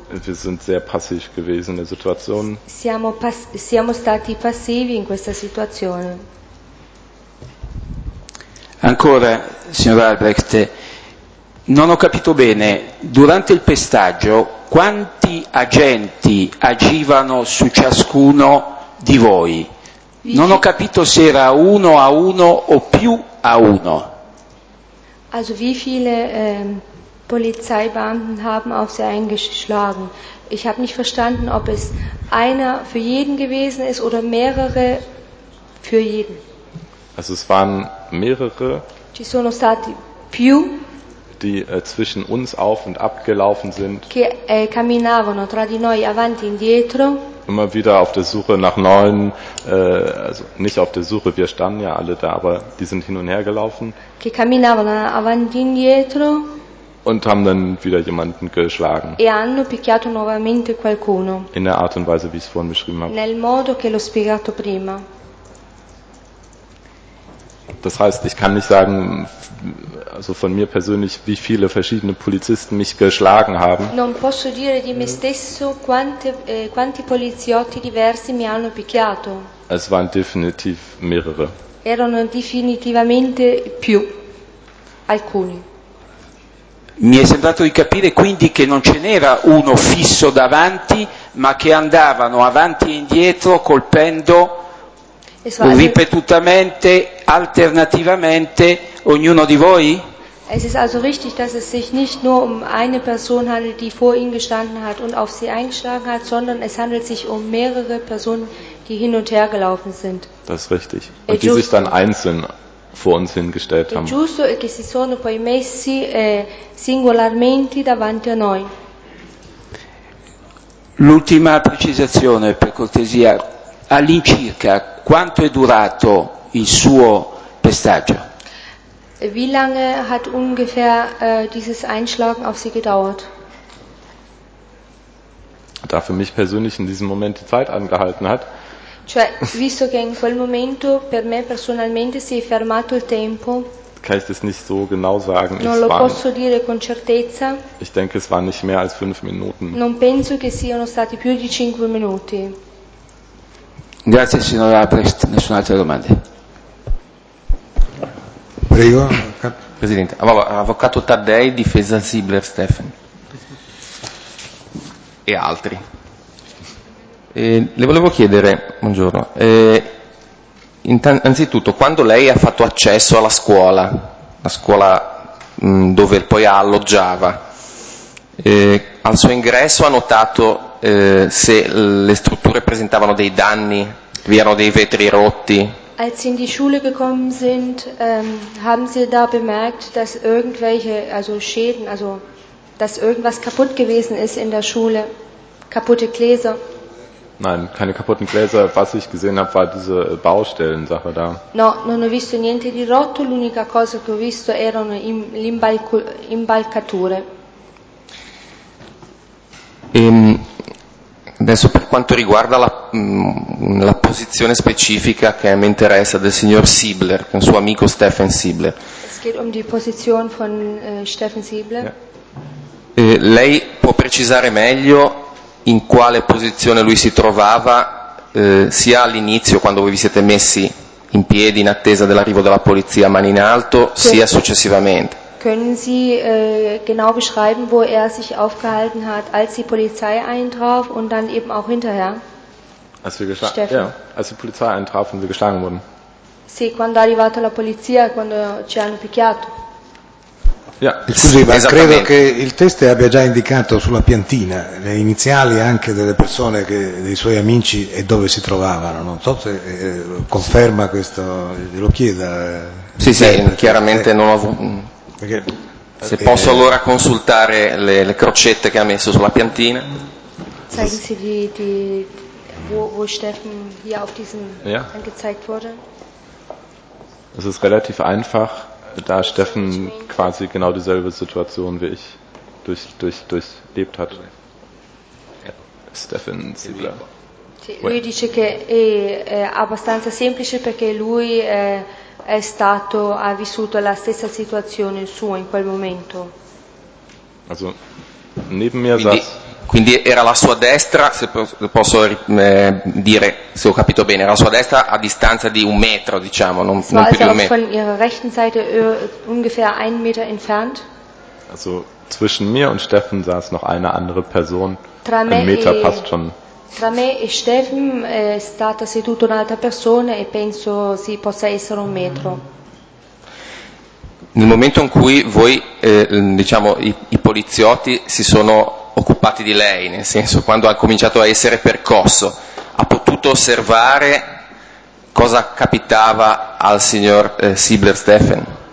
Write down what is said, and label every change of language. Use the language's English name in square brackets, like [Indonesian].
[German] Wir sind sehr passiv gewesen in der Situation. [Italian] Siamo stati passivi in questa situazione. Ancora, signor Albrecht, non ho capito bene, durante il pestaggio quanti agenti agivano su ciascuno di voi? Non ho capito se era uno a uno o più a uno. [German] Also wie viele Polizeibeamten haben auf sie eingeschlagen? Ich habe nicht verstanden, ob es einer für jeden gewesen ist oder mehrere für jeden. Also es waren mehrere. [Italian] Ci sono stati più, [German] die zwischen uns auf und abgelaufen sind. [Italian] Che camminavano tra di noi avanti e indietro. [German] Immer wieder auf der Suche nach neuen, also nicht auf der Suche, wir standen ja alle da, aber die sind hin und her gelaufen. [Italian] Che camminavano avanti e indietro. [German] Und haben dann wieder jemanden geschlagen. [Italian] E hanno picchiato nuovamente qualcuno. [German] In der Art und Weise, wie ich es vorhin beschrieben habe. [Italian] Nel modo che l'ho spiegato prima. [German] Das heißt, ich kann nicht sagen, also von mir persönlich, wie viele verschiedene Polizisten mich geschlagen haben. [Italian] Non posso dire di me stesso quanti poliziotti diversi mi hanno picchiato. [German] Es waren definitiv mehrere. [Italian] Erano definitivamente più, alcuni. Mi è sembrato di capire quindi che non ce n'era uno fisso davanti, ma che andavano avanti e indietro colpendo ripetutamente, alternativamente, ognuno di voi? [German] Es ist also richtig, dass es sich nicht nur um eine Person handelt, die vor ihnen gestanden hat und auf sie eingeschlagen hat, sondern es handelt sich um mehrere Personen, die hin und her gelaufen sind. Das ist richtig. Und die sich dann einzeln vor uns hingestellt haben. [Italian] È giusto che si sono poi messi singolarmente davanti a noi. L'ultima precisazione, per cortesia. All'incirca, quanto è durato il suo pestaggio? [German] Wie lange hat ungefähr dieses Einschlagen auf Sie gedauert? Da für mich persönlich in diesem Moment die Zeit angehalten hat. [Italian] Cioè, visto che in quel momento per me personalmente si è fermato il tempo. [German] Kann ich das nicht so genau sagen. [Italian] Non lo posso dire con certezza. [German] Ich denke, es waren nicht mehr als 5 Minuten. [Italian] Non penso che siano stati più di 5 minuti. Grazie signor Albrecht, nessuna altra domanda. Prego. Presidente, avvocato Taddei, difesa Sibler Steffen e altri. Le volevo chiedere, buongiorno, innanzitutto quando lei ha fatto accesso alla scuola, la scuola dove poi alloggiava, al suo ingresso ha notato se le strutture presentavano dei danni? Vi erano dei vetri rotti? [German] Als sie in die Schule gekommen sind, haben sie da bemerkt, dass irgendwelche, also Schäden, also dass irgendwas kaputt gewesen ist in der Schule? Kaputte Gläser? Nein, keine kaputten Gläser. Was ich gesehen habe, war diese Baustellensache da. [Italian] No, non ho visto niente di rotto. L'unica cosa che ho visto erano imbalcature. Adesso per quanto riguarda la posizione specifica che mi interessa del signor Sibler, del suo amico Steffen Sibler. [German] Es geht um die Position von Steffen Sibler. [Italian] Lei può precisare meglio in quale posizione lui si trovava sia all'inizio quando voi vi siete messi in piedi in attesa dell'arrivo della polizia mani in alto, sia successivamente? [German] Können Sie genau beschreiben, wo er sich aufgehalten hat, als die Polizei eintraf und dann eben auch hinterher? Als die Polizei eintraf und wir geschlagen wurden. [Italian] Sì, quando è arrivata la polizia, quando ci hanno picchiato. [German] Ja. [Italian] Scusi, ma credo che il test abbia già indicato sulla piantina le iniziali anche delle persone, dei suoi amici e dove si trovavano. Non so se conferma questo, glielo chieda. Sì, sì, chiaramente non ho avuto... Perché, se posso allora consultare le crocette che ha messo sulla piantina. [German] Zeigen Sie wo Steffen hier auf diesem angezeigt wurde. Es ist relativ einfach, da Steffen quasi genau dieselbe Situation wie ich durchlebt hat. Stefan Ziegler. [Italian] Sì, lui dice che è abbastanza semplice perché lui è stato, ha vissuto la stessa situazione sua in quel momento. [German] Also, neben mir saß, [Italian] quindi era la sua destra, se posso dire, se ho capito bene, era la sua destra a distanza di un metro, diciamo, non più di un metro. [German] Von ihrer rechten Seite ungefähr einen Meter entfernt. Also zwischen mir und Steffen saß noch eine andere Person. Ein Meter passt schon. [Italian] Tra me e Steffen è stata seduta un'altra persona e penso si possa essere un metro. Nel momento in cui voi, diciamo, i poliziotti si sono occupati di lei, nel senso quando ha cominciato a essere percosso, ha potuto osservare cosa capitava al signor Ziegler Stefan?